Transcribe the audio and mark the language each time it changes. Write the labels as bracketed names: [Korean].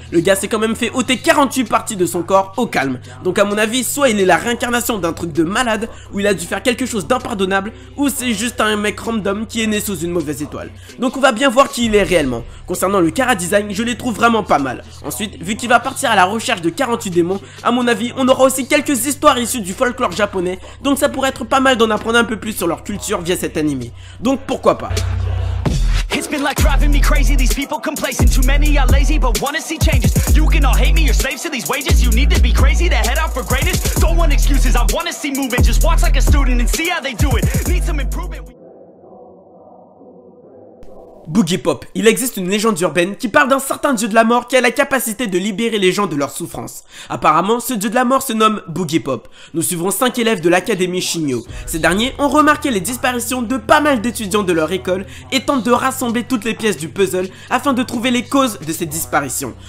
[French] Le gars s'est quand même fait ôter 48 parties de son corps au calme. Donc à mon avis, soit il est la réincarnation d'un truc de malade, où il a dû faire quelque chose d'impardonnable, ou c'est juste un mec random qui est né sous une mauvaise étoile. Donc on va bien voir qui il est réellement. Concernant le chara-design, je l'ai trouvé vraiment pas mal. Ensuite, vu qu'il va partir à la recherche de 48 démons, à mon avis, on aura aussi quelques histoires issues du folklore japonais, donc ça pourrait être pas mal d'en apprendre un peu plus sur leur culture via cet anime. Donc pourquoi pas. [English] It's been like driving me crazy, these people complacent. Too many are lazy but wanna see changes. You can all hate me, you're slaves to these wages. You need to be crazy to head out for greatness. Don't want excuses, I wanna see movement. Just watch like a student and see how they do it. Need some improvement. [French] Boogie Pop. Il existe une légende urbaine qui parle d'un certain dieu de la mort qui a la capacité de libérer les gens de leurs souffrances. Apparemment, ce dieu de la mort se nomme Boogie Pop. Nous suivrons 5 élèves de l'académie Shinyo. Ces derniers ont remarqué les disparitions de pas mal d'étudiants de leur école et tentent de rassembler toutes les pièces du puzzle afin de trouver les causes de ces disparitions.